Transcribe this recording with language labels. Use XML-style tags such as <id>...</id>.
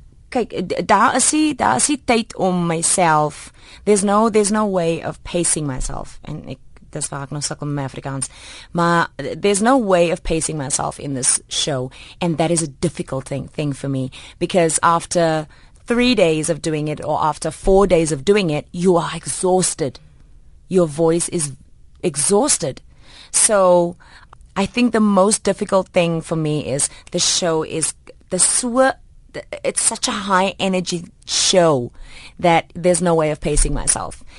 <af>Kyk, daar is die tyd om myself.</af> <en>There's no way of pacing myself.</en> <af>En ek dis waar ek nou sukkel met my Afrikaans. Maar</af> <en>there's no way of pacing myself in this show and that is a difficult thing for me because after 3 days of doing it or after 4 days of doing it, you are exhausted. Your voice is exhausted. So I think the most difficult thing for me is the show is it's such a high energy show that there's no way of pacing myself.</en>